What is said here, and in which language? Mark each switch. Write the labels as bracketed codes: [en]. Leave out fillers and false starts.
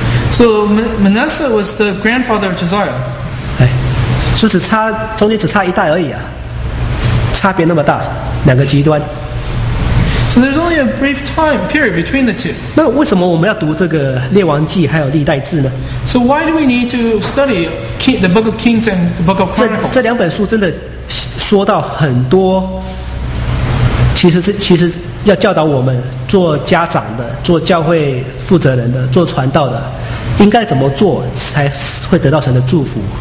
[en] So Manasseh was the grandfather of Josiah. [zh] 哎，就只差中间只差一代而已啊，差别那么大，两个极端。 [en] So there's only a brief time period between the two. [zh] 那为什么我们要读这个列王记还有历代志呢 [en] ？So why do we need to study the Book of Kings and the Book of Chronicles? [zh] 这两本书真的说到很多，其实。要教导我们做家长的、做教会负责人的、做传道的，应该怎么做才会得到神的祝福